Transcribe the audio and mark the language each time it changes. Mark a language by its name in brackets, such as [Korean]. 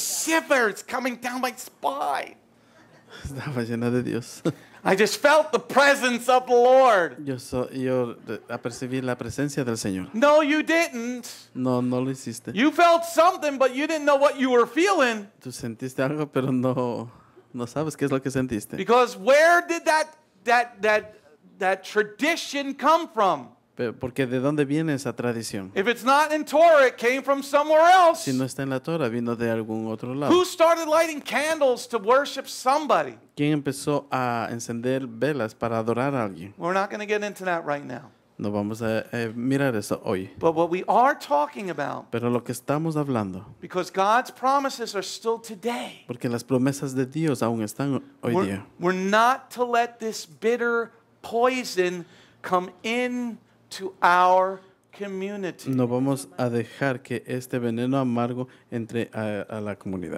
[English] Shivers coming down my spine. [Spanish] Estaba llena de Dios. [English] I just felt the presence of the Lord. [Spanish] Yo apercibí la presencia del Señor. [English] No, you didn't. [Spanish] No, no lo hiciste. [English] You felt something, but you didn't know what you were feeling. [Spanish] Tú sentiste algo, pero no sabes qué es lo que sentiste. [English] Because where did that tradition come from? [Spanish] Porque ¿de dónde viene esa tradición? [English] If it's not in Torah, it came from somewhere else. [Spanish] Si no está en la Torah, vino de algún otro lado. [English] Who started lighting candles to worship somebody? [Spanish] ¿Quién empezó a encender velas para adorar a alguien? [English] We're not going to get into that right now. [Spanish] No vamos a mirar eso hoy. [English] But what we are talking about, [Spanish] pero lo que estamos hablando, [English] because God's promises are still today, [Spanish] porque las promesas de Dios aún están hoy día. [English] We're not to let this bitter poison come in to our community. [Spanish] No vamos a dejar que este veneno amargo entre a la comunidad.